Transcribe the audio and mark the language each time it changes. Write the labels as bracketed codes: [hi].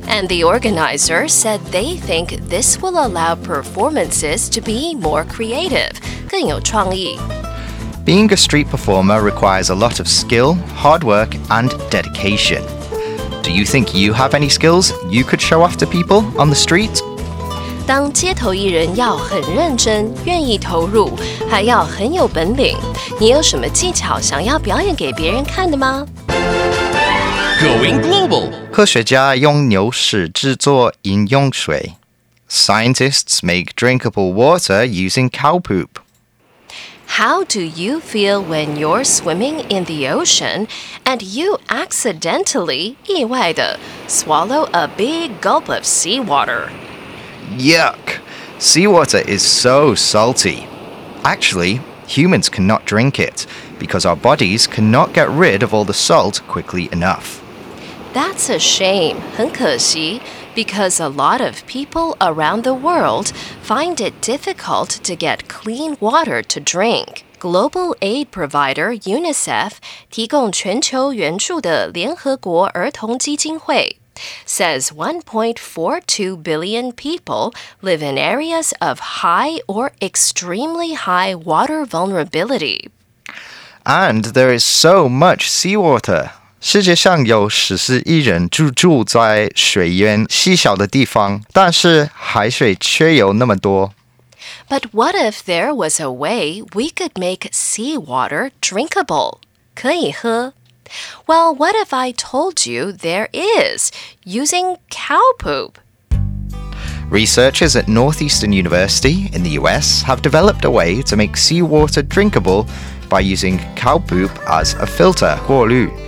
[en] And the organizer said they think this will allow performances to be more creative, [zh] 更有创意。 [en] Being a street performer requires a lot of skill, hard work, and dedication. Do you think you have any skills you could show off to people on the street? [zh] 当街头艺人要很认真，愿意投入，还要很有本领。你有什么技巧想要表演给别人看的吗？ [en] Going global. [zh] 科学家用牛屎制作饮用水。 [en] Scientists make drinkable water using cow poop. How do you feel when you're swimming in the ocean and you accidentally, 意外的, swallow a big gulp of seawater? Yuck! Seawater is so salty. Actually, humans cannot drink it, because our bodies cannot get rid of all the salt quickly enough. That's a shame, [zh] 很可惜, [en] because a lot of people around the world find it difficult to get clean water to drink. Global aid provider UNICEF [zh] 提供全球援助的联合国儿童基金会 [en] says 1.42 billion people live in areas of high or extremely high water vulnerability. And there is so much seawater. [zh] 世界上有14亿人居住在水源稀少的地方，但是海水却有那么多。 [en] But what if there was a way we could make seawater drinkable? [zh] 可以喝。 [en] Well, what if I told you there is, using cow poop? Researchers at Northeastern University in the US have developed a way to make seawater drinkable by using cow poop as a filter, 过滤.